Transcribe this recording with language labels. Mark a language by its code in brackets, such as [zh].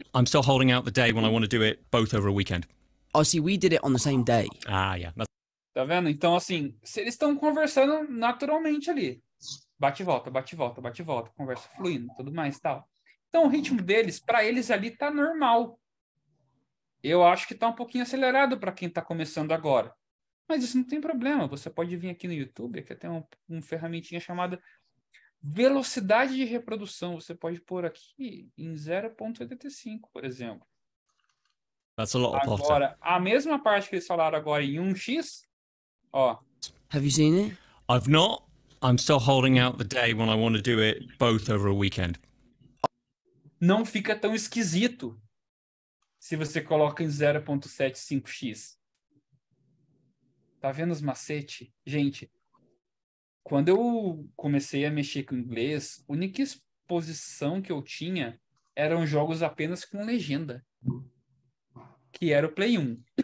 [en] I'm still holding out the day when I want to do it both over a weekend. Oh, see, we did it on the same day. Ah, yeah. [pt] Tá vendo? Então, assim, eles estão conversando naturalmente ali. Bate e volta, bate e volta, bate e volta. Conversa fluindo, tudo mais e tal. Então, o ritmo deles, para eles ali, tá normal. Eu acho que tá um pouquinho acelerado para quem tá começando agora. Mas isso não tem problema. Você pode vir aqui no YouTube, aqui tem um ferramentinha chamada velocidade de reprodução. Você pode pôr aqui em 0.85, por exemplo. [en] That's a lot of Potter. [pt] Agora, a mesma parte que eles falaram agora em 1x, ó. [en] Have you seen it? I've not. I'm still holding out the day when I want to do it both over a weekend. [pt] Não fica tão esquisito se você coloca em 0.75x. Tá vendo os macete? Gente, quando eu comecei a mexer com inglês, a única exposição que eu tinha eram jogos apenas com legenda. que era o Play 1.